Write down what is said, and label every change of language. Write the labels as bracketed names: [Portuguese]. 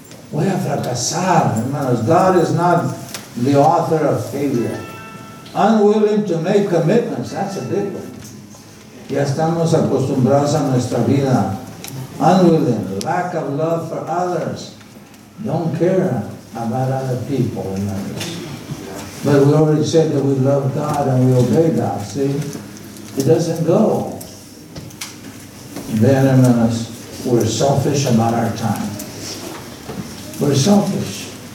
[Spanish] Voy a fracasar, hermanos. [English] God is not the author of failure. Unwilling to make commitments, that's a big one. [Spanish] Ya estamos acostumbrados a nuestra vida. [English] Unwilling, lack of love for others. Don't care about other people, hermanos. But we already said that we love God and we obey God, see? It doesn't go. Then, hermanos, we're selfish about our time. We're selfish.